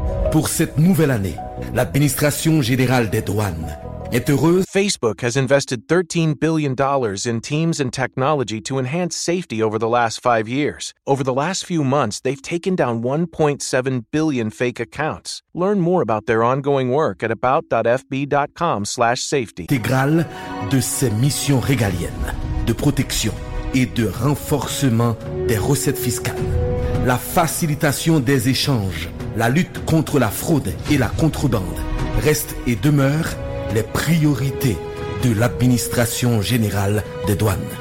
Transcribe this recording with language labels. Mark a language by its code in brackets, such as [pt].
[fr] Pour cette nouvelle année, l'administration générale des douanes est heureuse. [en] Facebook has invested $13 billion in teams and technology to enhance safety over the last 5 years. Over the last few months, they've taken down 1.7 billion fake accounts. Learn more about their ongoing work at about.fb.com/safety. [fr] Intégrale de ses missions régaliennes de protection et de renforcement des recettes fiscales, la facilitation des échanges, la lutte contre la fraude et la contrebande reste et demeure les priorités de l'administration générale des douanes.